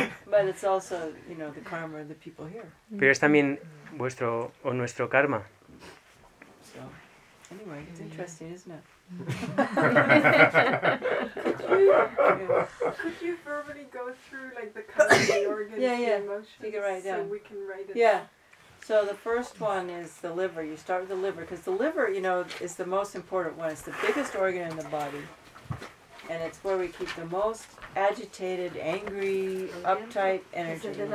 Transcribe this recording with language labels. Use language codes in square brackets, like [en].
[en] But it's also, you know, the karma of the people here. [es] Pero es también vuestro o nuestro karma. [en] So, anyway, it's interesting, isn't it? Could you verbally go through like the kinds of organs, emotions, can write down. So we can write it. Yeah. So the first one is the liver. You start with the liver because the liver, you know, is the most important one. It's the biggest organ in the body, and it's where we keep the most agitated, angry, uptight energy.